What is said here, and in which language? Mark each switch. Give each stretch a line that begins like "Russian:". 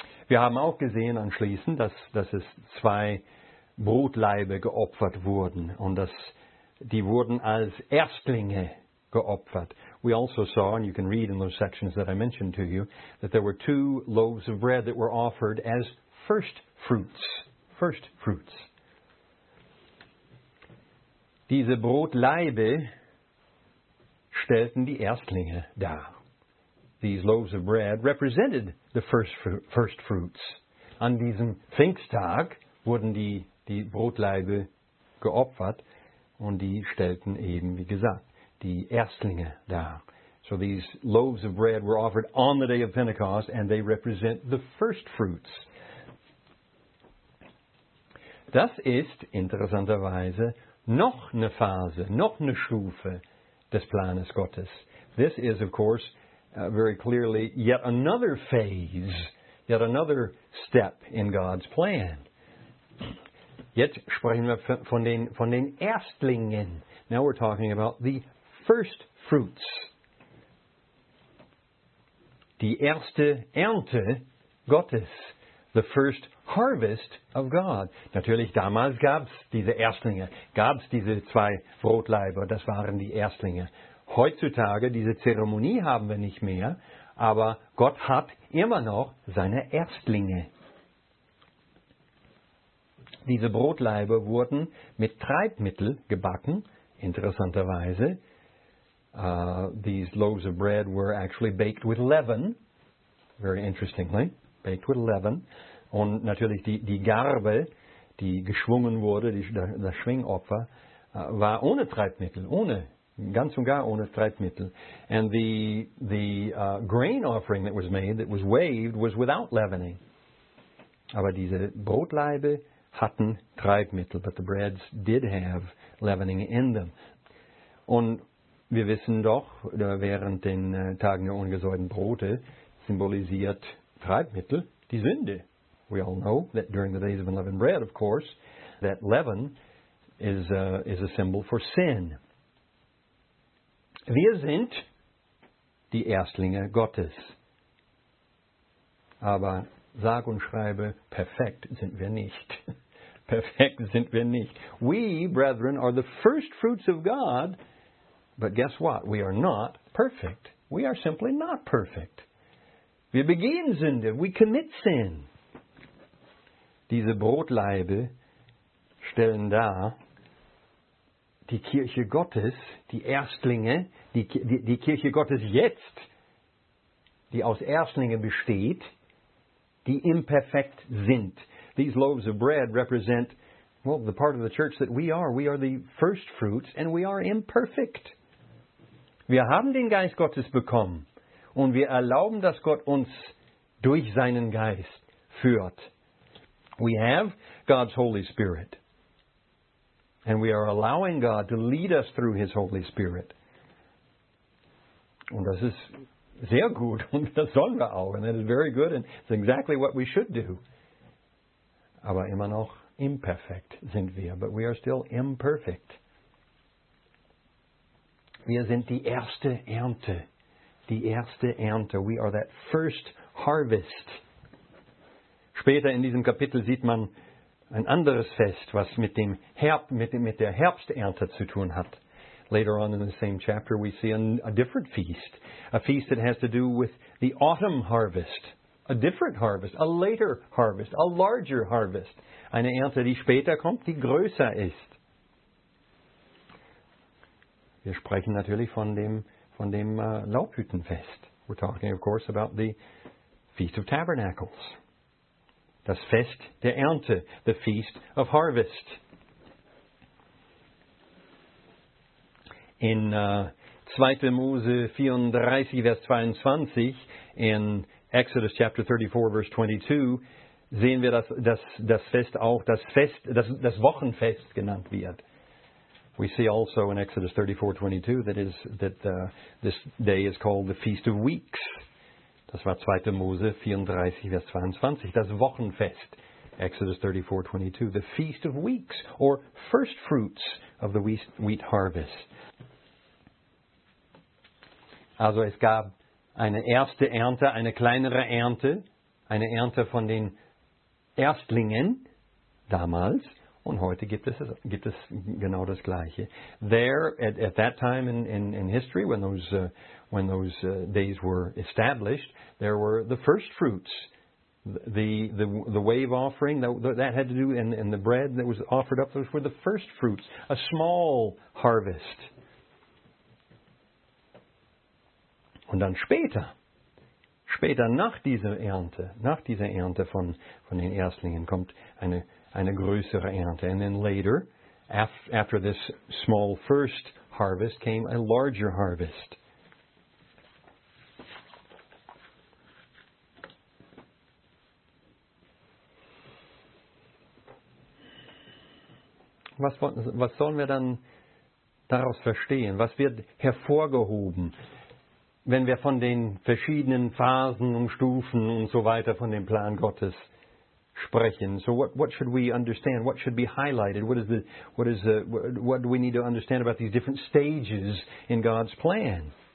German: Wir haben auch gesehen anschließend, dass es zwei Brutleibe geopfert wurden und dass die wurden als Erstlinge geopfert.
English: We also saw, and you can read in those sections that I mentioned to you, that there were two loaves of bread that were offered as first fruits. First fruits.
German: Diese Brotleibe stellten die Erstlinge dar.
English: These loaves of bread represented the first fruits.
German: An diesem Pfingsttag wurden die Brotleibe geopfert und die stellten eben, wie gesagt, die Erstlinge dar.
English: So these loaves of bread were offered on the day of Pentecost and they represent the first fruits.
German: Das ist interessanterweise noch eine Phase, noch eine Stufe des Planes Gottes.
English: This is, of course, very clearly, yet another phase, yet another step in God's plan.
German: Jetzt sprechen wir von den Erstlingen.
English: Now we're talking about the first fruits.
German: Die erste Ernte Gottes.
English: The first harvest of God.
German: Natürlich, damals gab es diese Erstlinge, gab es diese zwei Brotleiber, das waren die Erstlinge. Heutzutage, diese Zeremonie haben wir nicht mehr, aber Gott hat immer noch seine Erstlinge. Diese Brotleibe wurden mit Treibmittel gebacken, interessanterweise.
English: These loaves of bread were actually baked with leaven, very interestingly, baked with leaven.
German: Und natürlich die Garbe, die geschwungen wurde, das Schwingopfer, war ohne Treibmittel, ohne ganz und gar ohne Treibmittel.
English: And the grain offering that was made, that was waved, was without leavening.
German: Aber diese Brotleibe hatten Treibmittel,
English: but the breads did have leavening in them.
German: Und wir wissen doch, während den Tagen der ungesäuerten Brote symbolisiert Treibmittel die Sünde.
English: We all know that during the days of unleavened bread, of course, that leaven is a symbol for sin.
German: Wir sind die Erstlinge Gottes. Aber sag und schreibe, perfekt sind wir nicht. Perfekt sind wir nicht.
English: We, brethren, are the first fruits of God, but guess what? We are not perfect. We are simply not perfect.
German: Wir begehen Sünde.
English: We commit sin.
German: Diese Brotleibe stellen dar, die Kirche Gottes, die Erstlinge, die Kirche Gottes jetzt, die aus Erstlingen besteht, die imperfekt sind.
English: These loaves of bread represent, well, the part of the church that we are the first fruits, and we are imperfect.
German: Wir haben den Geist Gottes bekommen, und wir erlauben, dass Gott uns durch seinen Geist führt.
English: We have God's Holy Spirit. And we are allowing God to lead us through His Holy Spirit.
German: Und das ist sehr gut. Und das sollen wir auch.
English: And that is very good. And it's exactly what we should do.
German: Aber immer noch imperfekt sind wir.
English: But we are still imperfect.
German: Wir sind die erste Ernte. Die erste Ernte.
English: We are that first harvest.
German: Später in diesem Kapitel sieht man ein anderes Fest, was mit der Herbsternte zu tun hat.
English: Later on in the same chapter we see a different feast. A feast that has to do with the autumn harvest. A different harvest, a later harvest, a larger harvest.
German: Eine Ernte, die später kommt, die größer ist. Wir sprechen natürlich von dem Laubhüttenfest.
English: We're talking, of course, about the Feast of Tabernacles.
German: Das Fest der Ernte,
English: the Feast of Harvest.
German: In 2. Mose 34, Vers 22,
English: in Exodus chapter 34,
German: Vers 22, sehen wir, dass das Fest auch das Wochenfest genannt wird.
English: We see also in Exodus 34, 22, that this day is called the Feast of Weeks.
German: Das war 2. Mose 34, Vers 22, das Wochenfest.
English: Exodus 34, 22, the Feast of Weeks, or First Fruits of the Wheat Harvest.
German: Also es gab eine erste Ernte, eine kleinere Ernte, eine Ernte von den Erstlingen damals, und heute gibt es genau das Gleiche.
English: There, at that time in history, when those days were established, there were the first fruits, the wave offering, that had to do, and the bread that was offered up, those were the first fruits, a small harvest.
German: Und dann später nach dieser Ernte von den Erstlingen kommt eine größere Ernte.
English: And then later, after this small first harvest, came a larger harvest.
German: Was sollen wir dann daraus verstehen? Was wird hervorgehoben, wenn wir von den verschiedenen Phasen und Stufen und so weiter von dem Plan Gottes sprechen?
English: So what should we understand? What should be highlighted? What do we need to understand about these different stages in God's plan?